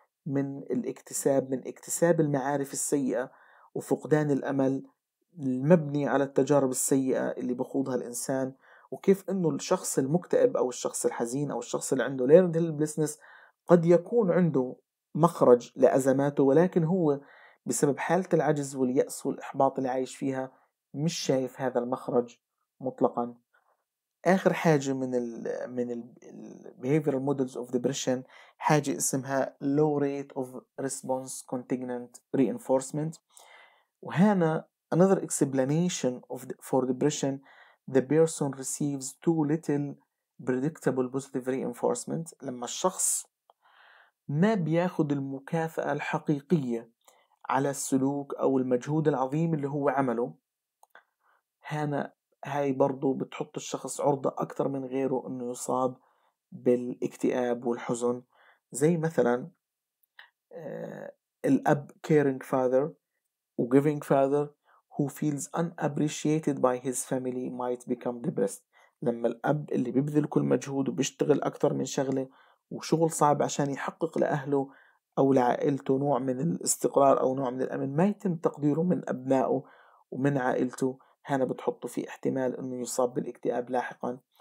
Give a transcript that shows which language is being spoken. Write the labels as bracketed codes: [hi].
[ar] من الاكتساب، من اكتساب المعارف السيئة وفقدان الأمل المبني على التجارب السيئة اللي بخوضها الإنسان، وكيف أنه الشخص المكتئب أو الشخص الحزين أو الشخص اللي عنده ليرند هيلبلسنس قد يكون عنده مخرج لأزماته، ولكن هو بسبب حالة العجز واليأس والإحباط اللي عايش فيها مش شايف هذا المخرج مطلقا. آخر حاجة من الـ [en] behavioral models of depression [ar] حاجة اسمها [en] low rate of response contingent reinforcement، [ar] وهنا [en] another explanation of for depression the person receives too little predictable positive reinforcement. [ar] لما الشخص ما بياخد المكافأة الحقيقية على السلوك أو المجهود العظيم اللي هو عمله، هنا هاي برضو بتحط الشخص عرضة أكتر من غيره أنه يصاب بالاكتئاب والحزن. زي مثلا الأب [en] caring father و giving father who feels unappreciated by his family might become depressed. [ar] لما الأب اللي بيبذل كل مجهود وبيشتغل أكتر من شغلة وشغل صعب عشان يحقق لأهله أو لعائلته نوع من الاستقرار أو نوع من الأمن، ما يتم تقديره من أبنائه ومن عائلته، هنا بتحطه في احتمال أنه يصاب بالاكتئاب لاحقا.